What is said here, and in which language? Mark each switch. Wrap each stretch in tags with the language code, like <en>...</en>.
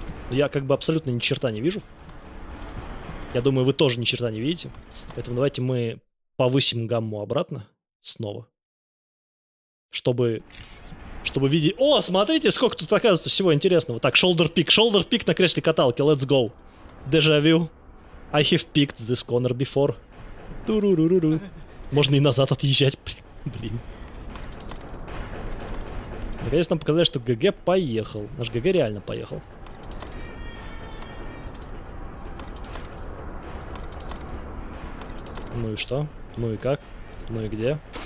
<ru>Я как бы абсолютно ни черта не вижу. Я думаю, вы тоже ни черта не видите. Поэтому давайте мы повысим гамму обратно. Снова. Чтобы видеть... О, смотрите, сколько тут оказывается всего интересного. Так, шолдер пик на кресле каталки.</ru> <en>Let's go. Дежавю. I have picked this corner before. Ту-ру-ру-ру-ру.</en> <ru>Можно и назад отъезжать. Блин. Наконец-то нам показали, что ГГ поехал. Наш ГГ реально поехал. Ну и что? Ну и как? Ну и где?</ru>